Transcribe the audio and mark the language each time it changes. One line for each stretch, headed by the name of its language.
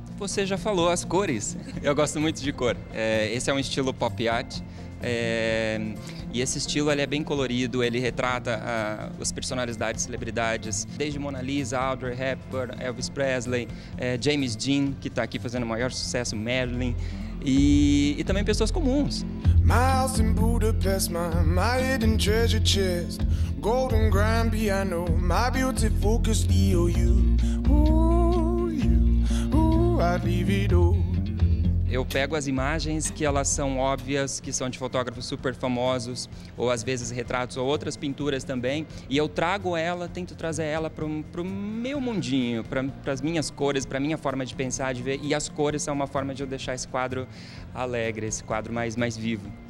Portuguese: Você já falou as cores. Eu gosto muito de cor. Esse é um estilo pop art. E esse estilo ele é bem colorido, ele retrata as personalidades, celebridades, desde Mona Lisa, Audrey Hepburn, Elvis Presley, James Dean, que está aqui fazendo o maior sucesso, Marilyn, e também pessoas comuns.
English: Miles in Budapest, my hidden treasure chest, golden grand piano, my beauty focused EOU, ooh, you, ooh, I'd leave it all.
Portuguese: Eu pego as imagens que elas são óbvias, que são de fotógrafos super famosos, ou às vezes retratos ou outras pinturas também, e eu trago ela, tento trazer ela para o meu mundinho, para as minhas cores, para a minha forma de pensar, de ver, e as cores são uma forma de eu deixar esse quadro alegre, esse quadro mais vivo.